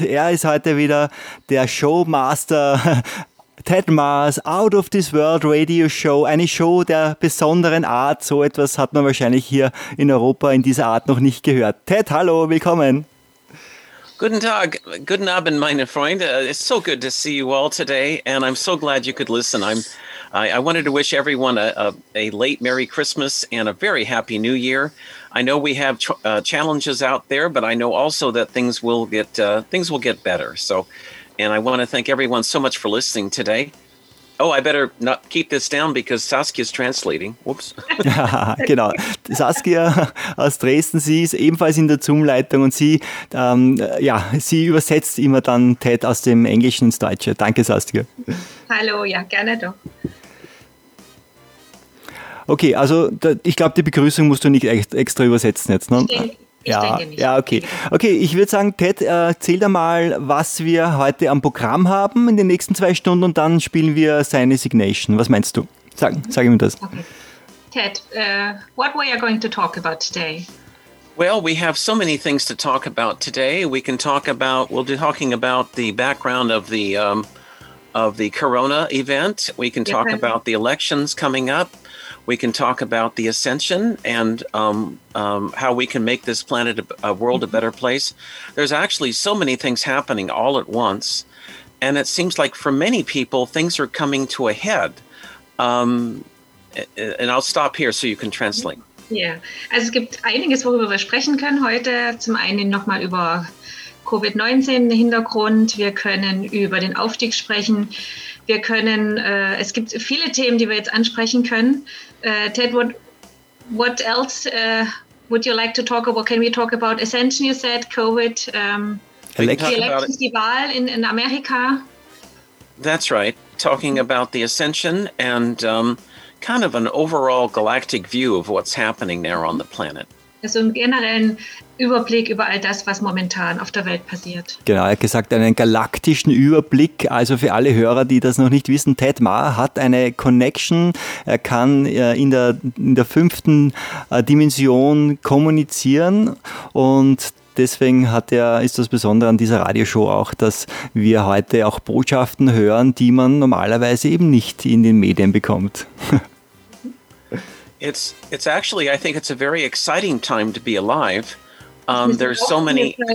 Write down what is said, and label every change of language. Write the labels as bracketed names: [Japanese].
[German] Er ist heute wieder der Showmaster Ted Marrs Out of This World Radio Show, eine Show der besonderen Art. So etwas hat man wahrscheinlich hier in Europa in dieser Art noch nicht gehört. Ted, hallo, willkommen. Guten Tag, guten Abend, meine Freunde. [English] It's so good to see you all today and I'm so glad you could listen. I wanted to wish everyone a late Merry Christmas and a very Happy New Year. I know we have challenges out there, but I know also that things will get better. So, and I want to thank everyone so much for listening today. Oh, I better not keep this down because Saskia is translating. Whoops. [German] Genau. Saskia aus Dresden, sie ist ebenfalls in der Zoom-Leitung und sie, sie übersetzt immer dann Ted aus dem Englischen ins Deutsche. Danke, Saskia. Hallo, ja, gerne doch. Okay, also ich glaube, die Begrüßung musst du nicht extra übersetzen jetzt, ne? Ich denke nicht. Ich würde sagen, Ted, erzähl dir mal, was wir heute am Programm haben in den nächsten 2 Stunden und dann spielen wir seine Signation. Was meinst du? Sag ihm das. Okay. [English] Ted, what were you going to talk about today? Well, we have so many things to talk about today. We'll be talking about the background of the Corona event. We can talk about the elections coming up. We can talk about the ascension and how we can make this planet a world a better place. There's actually so many things happening all at once. And it seems like for many people, things are coming to a head. And I'll stop here so you can translate. [German] Yeah, also es gibt einiges, worüber wir sprechen können heute. Zum einen nochmal über Covid-19 im Hintergrund. Wir können über den Aufstieg sprechen. Es gibt viele Themen, die wir jetzt ansprechen können. [English] Ted, what else would you like to talk about? Can we talk about Ascension, you said, COVID, the elections, the Wahl in America? That's right. Talking about the Ascension and kind of an overall galactic view of what's happening there on the planet. [German] Also im generellen Überblick über all das, was momentan auf der Welt passiert. Genau, er hat gesagt, einen galaktischen Überblick. Also für alle Hörer, die das noch nicht wissen, Ted Marr hat eine Connection. Er kann in der fünften Dimension kommunizieren. Und deswegen ist das Besondere an dieser Radioshow auch, dass wir heute auch Botschaften hören, die man normalerweise eben nicht in den Medien bekommt. [English] It's actually, I think it's a very exciting time to be alive. There's so many.